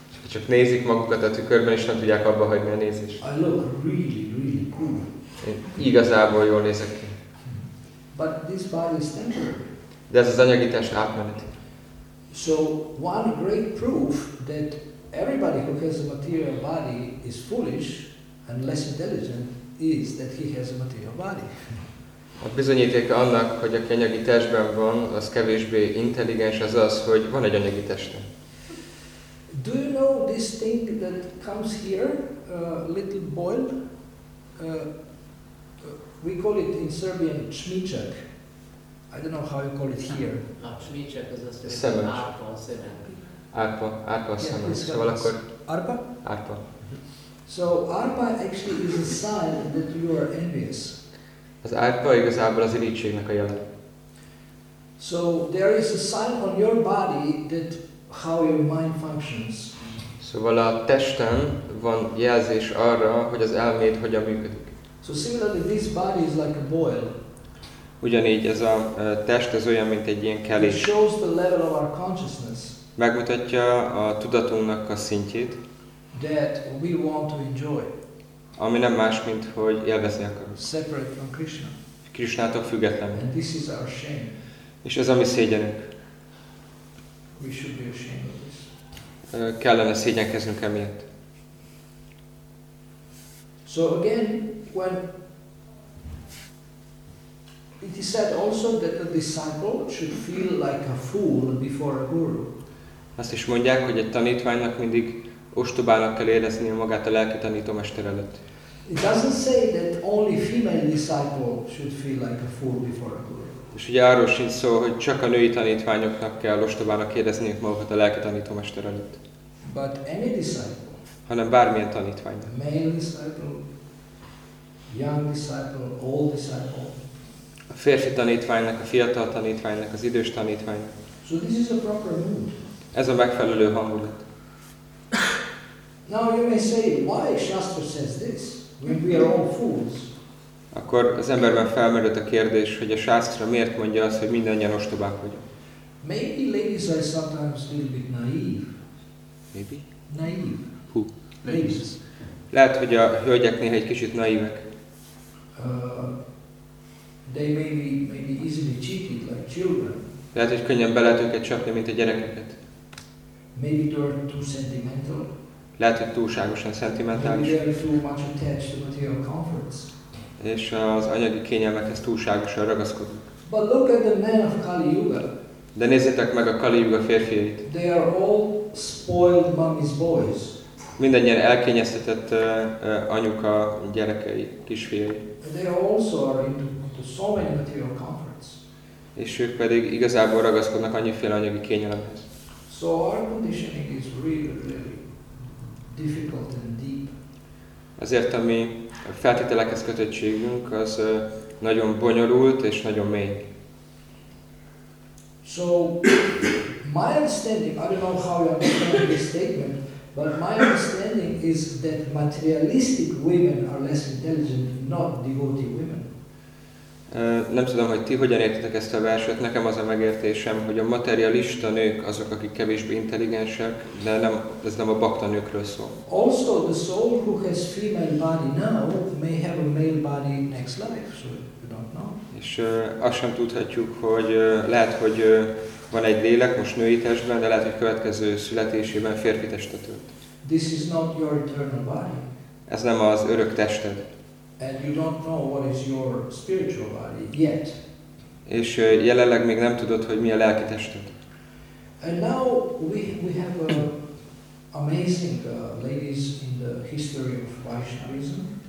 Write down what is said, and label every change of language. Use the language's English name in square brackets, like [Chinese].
[Hungarian] Csak nézik magukat a tükörben, és nem tudják abba hagyni a nézést. [English] I look really, really cool. [Hungarian] Én igazából jól nézek ki. [English] But this body is temporary. [Hungarian] De ez az anyagi test átmeneti. [English] So one great proof that everybody who has a material body is foolish and less intelligent is that he has a material body. [Hungarian] A bizonyítéka annak, hogy aki anyagi testben van, az kevésbé intelligens, az az, hogy van egy anyagi teste. [English] Do you know this thing that comes here, a little boil? We call it in Serbian čmičak. I don't know how you call it here. [Hungarian] A čmičak az azt jelenti, hogy árpa a szemen. Árpa a szemen. Szóval akkor... Arpa? Arpa. [English] So arpa actually is a sign that you are envious. [Hungarian] Az árpa igazából az irítségnek a jel. [English] So there is a sign on your body that how your mind functions. [Hungarian] Szóval a testen van jelzés arra, hogy az elméd hogyan működik. [English] So similarly this body is like a boil. [Hungarian] Ugyanígy ez a test ez olyan mint egy ilyen kelés. [English] It shows the level of our consciousness. [Hungarian] Megmutatja a tudatunknak a szintjét. [English] That we want to enjoy. [Hungarian] Ami nem más mint hogy élvezni akarunk. [English] Separate from Krishna. [Hungarian] Krisnától függetlenül. [English] And this is our shame. [Hungarian] És ez a mi szégyenünk. [English] We should be ashamed of this. [Hungarian] Kellene szégyenkeznünk emiatt. [English] So again, when it is said also that a disciple should feel like a fool before a guru. [Hungarian] Azt is mondják, hogy egy tanítványnak mindig ostobának kell éreznie magát a lelki tanítómester előtt. [English] It doesn't say that only female disciple should feel like a fool before a guru. [Hungarian] És ugye arról sincs szó, hogy csak a női tanítványoknak kell ostobának érezniük magukat a lelki tanítómester előtt. [English] But any disciple, [Hungarian] hanem bármilyen tanítvány. [English] Male disciple, young disciple, old disciple. [Hungarian] A férfi tanítványnak, a fiatal tanítványnak, az idős tanítványnak. [English] So this is a proper mood. [Hungarian] Ez a megfelelő hangulat. [English] Now you may say, why Shastra says this, when we are all fools? [Hungarian] Akkor az emberben felmerült a kérdés, hogy a sásztra miért mondja azt, hogy mindannyian ostobák vagyunk. [English] Maybe ladies are sometimes a little bit naive. Maybe? Naive. Who? Ladies. [Hungarian] Lehet, hogy a hölgyek néha egy kicsit naívek. [English] They may be easily cheated like children. [Hungarian] Lehet, hogy könnyen be lehet őket csapni, mint a gyerekeket. [English] Maybe they are too sentimental. [Hungarian] Lehet, hogy túlságosan szentimentális. [English] Maybe they are too much attached to material comforts. [Hungarian] És az anyagi kényelmekhez túlságosan ragaszkodnak. [English] But look at the men of Kali Yuga. [Hungarian] De nézzétek meg a Kali Yuga férfiait. [English] They are all spoiled mommy's boys. [Hungarian] Mindennyien elkényeztetett anyuka gyerekei, kisfiai. [English] They also are into so many material comforts. [Hungarian] És ők pedig igazából ragaszkodnak annyiféle anyagi kényelemhez. [English] So our conditioning is really, really difficult and deep. [Hungarian] Azért a mi feltételekhez kötöttségünk az nagyon bonyolult és nagyon mély. [English] So my understanding, I don't know how you understand this statement, but my understanding is that materialistic women are less intelligent, not devotee women. [Hungarian] Nem tudom, hogy ti hogyan értetek ezt a verset, nekem az a megértésem, hogy a materialista nők azok, akik kevésbé intelligensek, de nem, ez nem a bhakta nőkről szól. [English] Also the soul who has female body now may have a male body next life, so you don't know. [Hungarian] És azt sem tudhatjuk, hogy lehet, hogy van egy lélek most női testben, de lehet, hogy következő születésében férfi testet ölt. [English] This is not your eternal body. [Hungarian] Ez nem az örök tested. [English] And you don't know what is your spiritual body yet. [Hungarian] És jelenleg még nem tudod, hogy mi a lelki tested. [English] And now we have a amazing ladies in the history of Vaishnavism.